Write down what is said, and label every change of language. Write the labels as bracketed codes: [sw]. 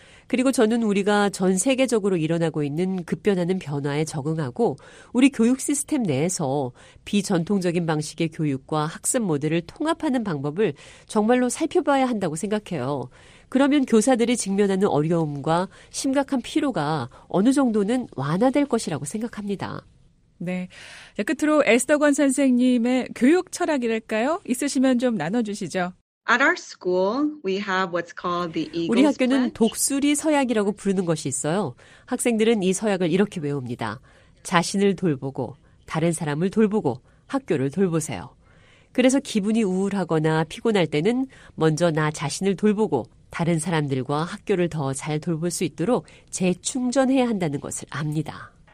[ko] 그리고 저는 우리가 전 세계적으로 일어나고 있는 급변하는 변화에 적응하고 우리 교육 시스템 내에서 비전통적인 방식의 교육과 학습 모델을 통합하는 방법을 정말로 살펴봐야 한다고 생각해요. 그러면 교사들이 직면하는 어려움과 심각한 피로가 어느 정도는 완화될 것이라고 생각합니다. 네. 끝으로 에스더 권 선생님의 교육 철학이랄까요? 있으시면 좀 나눠주시죠. [en] At our school, we have what's called the Eagle's Pledge. [ko] 우리 학교는 독수리 서약이라고 부르는 것이 있어요. 학생들은 이 서약을 이렇게 외웁니다. 자신을 돌보고, 다른 사람을 돌보고, 학교를 돌보세요. 그래서 기분이 우울하거나 피곤할 때는 먼저 나 자신을 돌보고, 다른 사람들과 학교를 더 잘 돌볼 수 있도록 재충전해야 한다는 것을 압니다.